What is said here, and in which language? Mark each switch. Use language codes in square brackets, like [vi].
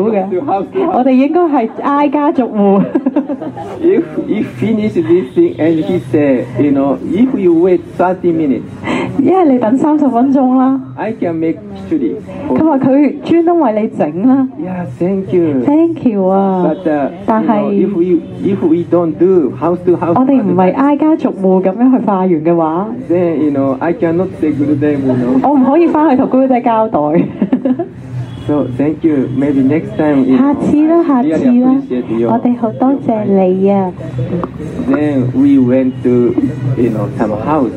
[yue] 佢覺得化緣係唔應該去廟嘅，我哋應該係挨家逐户。 [en] If finish this thing and he said, you know, if you wait 30 minutes, [yue] 因為你等30分鐘啦。 [en] I can make chili. [yue] 佢話佢專登為你整啦。 [en] Yeah, thank you. Thank you 啊。 But if we don't do house to house, [yue] 我哋唔係挨家逐户咁樣去化緣嘅話， [en] then you know I cannot say Gurudev, you know. [yue] 我唔可以翻去同Gurudev交代。 [en] So thank you. Maybe next time. [yue] 下次啦，下次啦。我哋好多謝你啊。 [en] Then we went to, you know, some house.